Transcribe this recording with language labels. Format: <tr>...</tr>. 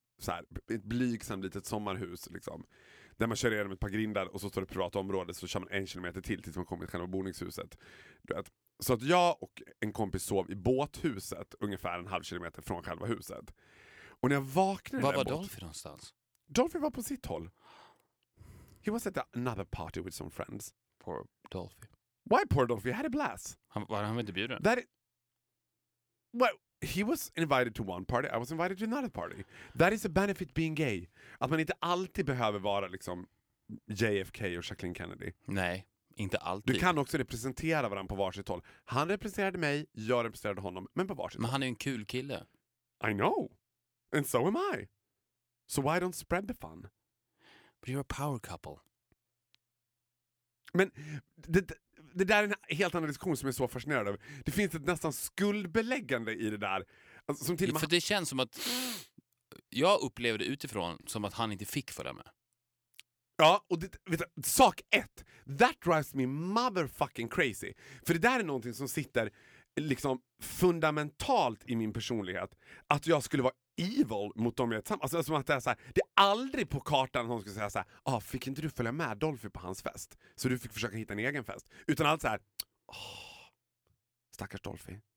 <sv>Så här, ett blygsamt litet sommarhus liksom, där man kör igenom ett par grindar och så står det privat område, så kör man en kilometer till tills man kommer till själva boningshuset. Så att jag och en kompis sov i båthuset ungefär en halv kilometer från själva huset. Och när jag vaknade... Vad var Dolphy någonstans? Dolphy var på sitt håll.</sv> <en>He was at another party with some friends. Poor Dolphy. Why poor Dolphy? I had a blast.</en> <sv>Var han inte bjuden?</sv> <en>Well, he was invited to one party, I was invited to another party. That is a benefit being gay.</en> <sv>Att man inte alltid behöver vara liksom JFK och Jacqueline Kennedy. Nej, inte alltid. Du kan också representera varandra på varsitt håll. Han representerade mig, jag representerade honom, men på varsitt men håll. Men han är ju en kul kille.</sv> <en>I know. And so am I. So why don't spread the fun? But you're a power couple.</en> <sv>Men det där är en helt annan diskussion som jag är så fascinerad av. Det finns ett nästan skuldbeläggande i det där. Alltså, som till för det känns som att jag upplevde utifrån som att han inte fick för det med. Ja, och det, vet du, sak ett.</sv> <en>That drives me motherfucking crazy.</en> <sv>För det där är någonting som sitter liksom fundamentalt i min personlighet. Att jag skulle vara evil mot dem jag är tillsammans. Alltså, som att det, är så här, det är aldrig på kartan att hon skulle säga så här: ah, fick inte du följa med Dolphy på hans fest? Så du fick försöka hitta en egen fest. Utan allt såhär, stackars Dolphy.</sv>